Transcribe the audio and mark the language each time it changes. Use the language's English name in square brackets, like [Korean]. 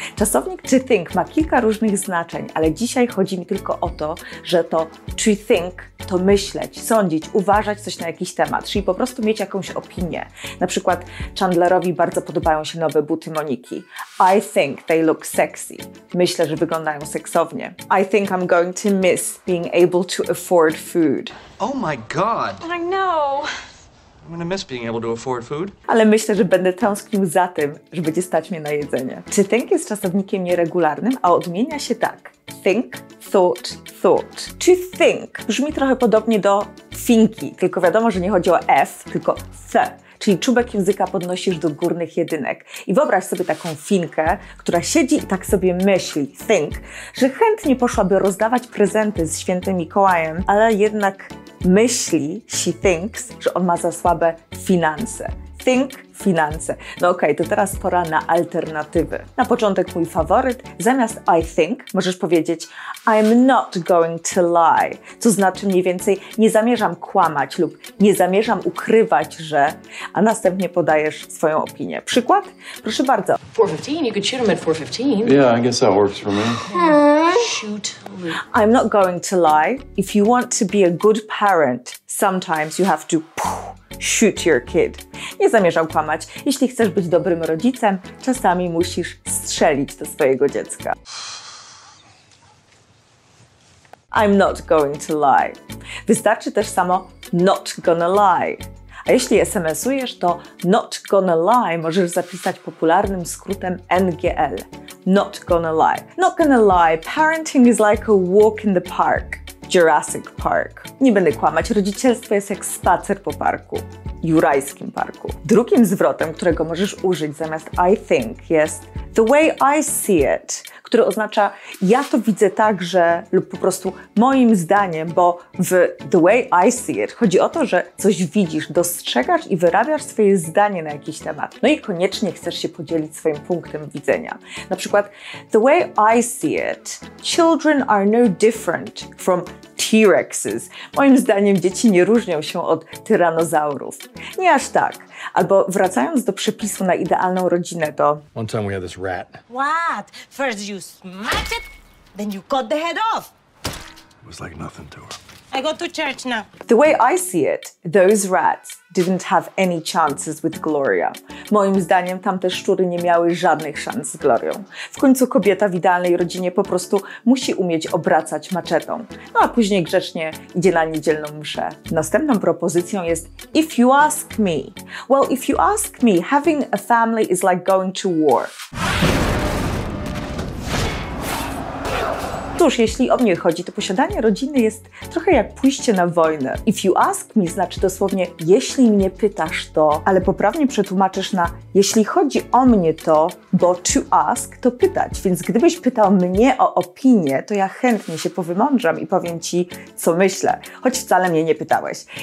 [Polish] Czasownik to think ma kilka różnych znaczeń, ale dzisiaj chodzi mi tylko o to, że to to think to myśleć, sądzić, uważać coś na jakiś temat, czyli po prostu mieć jakąś opinię. Na przykład Chandlerowi bardzo podobają się nowe buty Moniki. [English] I think they look sexy. [Polish] Myślę, że wyglądają seksownie. [English] I think I'm going to miss being able to afford food. Oh my God! I know! I'm gonna miss being able to afford food. [Polish] Ale myślę, że będę tęsknił za tym, że będzie stać mnie na jedzenie. To think jest czasownikiem nieregularnym, a odmienia się tak. Think, thought, thought. To think brzmi trochę podobnie do thinki, tylko wiadomo, że nie chodzi o S, tylko C. Czyli czubek języka podnosisz do górnych jedynek. I wyobraź sobie taką finkę, która siedzi i tak sobie myśli, think, że chętnie poszłaby rozdawać prezenty z świętym Mikołajem, ale jednak myśli, she thinks, że on ma za słabe finanse. Think, finanse. No okej, to teraz pora na alternatywy. Na początek mój faworyt. Zamiast I think możesz powiedzieć I'm not going to lie, co znaczy mniej więcej nie zamierzam kłamać lub nie zamierzam ukrywać, że... A następnie podajesz swoją opinię. Przykład? Proszę bardzo. [English] 4:15, you could shoot him at 4:15. Yeah, I guess that works for me. Shoot. I'm not going to lie. If you want to be a good parent, sometimes you have to... Shoot your kid. [Polish] Nie zamierzam kłamać. Jeśli chcesz być dobrym rodzicem, czasami musisz strzelić do swojego dziecka. [English] I'm not going to lie. [Polish] Wystarczy też samo [English] not gonna lie. [Polish] A jeśli SMS-ujesz, to not gonna lie możesz zapisać popularnym skrótem NGL. [English] Not gonna lie. Not gonna lie. Parenting is like a walk in the park. Jurassic Park. [Polish] Nie będę kłamać, rodzicielstwo jest jak spacer po parku. Jurajskim parku. Drugim zwrotem, którego możesz użyć zamiast I think jest the way I see it, który oznacza ja to widzę tak, że lub po prostu moim zdaniem, bo w the way I see it chodzi o to, że coś widzisz, dostrzegasz i wyrabiasz swoje zdanie na jakiś temat. No i koniecznie chcesz się podzielić swoim punktem widzenia. Na przykład [English] the way I see it, children are no different from T-Rexes. [Polish] Moim zdaniem dzieci nie różnią się od tyranozaurów. Nie aż tak. Albo wracając do przepisu na idealną rodzinę, to... [English] One time we had this rat. What? First you smash it, then you cut the head off. It was like nothing to her. I go to church now. The way I see it, those rats didn't have any chances with Gloria. [Polish] Moim zdaniem tamte szczury nie miały żadnych szans z Glorią. W końcu kobieta w idealnej rodzinie po prostu musi umieć obracać maczetą. No a później grzecznie idzie na niedzielną mszę. Następną propozycją jest if you ask me. [English] Well, if you ask me, having a family is like going to war. [Polish] Cóż, jeśli o mnie chodzi, to posiadanie rodziny jest trochę jak pójście na wojnę. If you ask me znaczy dosłownie jeśli mnie pytasz to, ale poprawnie przetłumaczysz na jeśli chodzi o mnie to, bo to ask to pytać. Więc gdybyś pytał mnie o opinię, to ja chętnie się powymądrzam i powiem ci, co myślę, choć wcale mnie nie pytałeś.